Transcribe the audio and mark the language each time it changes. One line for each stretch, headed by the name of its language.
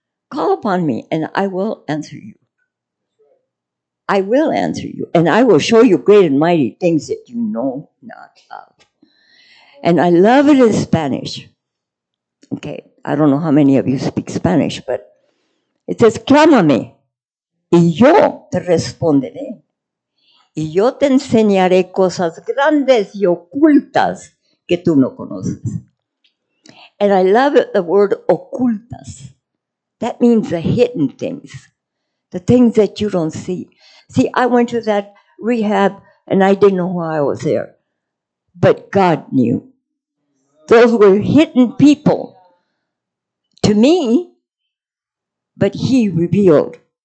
English: Call upon me and I will answer you. I will answer you and I will show you great and mighty things that you know not of. And I love it in Spanish. Okay, I don't know how many of you speak Spanish, but it says, clámame.
Spanish: Y yo te responderé, y yo te enseñaré cosas grandes y ocultas que tú no conoces.
English: And I love the word ocultas. That means the hidden things, the things that you don't see. See, I went to that rehab, and I didn't know why I was there, but God knew. Those were hidden people to me, but he revealed.